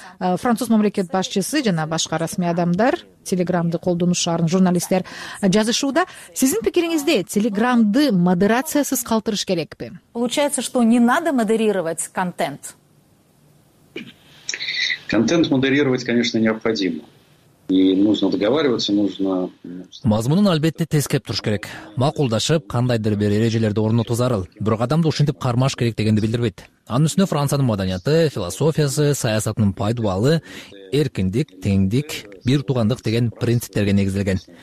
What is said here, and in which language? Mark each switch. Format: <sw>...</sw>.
<ky>Француз мамлекет башчысы жана башка расмий адамдар телеграмды колдонушарын журналисттер жазышууда. Сиздин пикириңизде телеграмды модерациясыз калтырыш керекпи?</ky> <ru>Получается, что не надо модерировать контент. Контент модерировать, конечно, необходимо.</ru> <ky>Мазмунун албетте тескеп туруш керек. Макулдашып, кандайдыр бир эрежелерди орнотуу зарыл, бирок адамды ушинтип кармаш керек дегенди билдирбейт. Анын үстүнө Франциянын маданияты, философиясы, саясатынын пайдубалы, эркиндик, теңдик, бир туугандык деген принциптерге негизделген.</ky>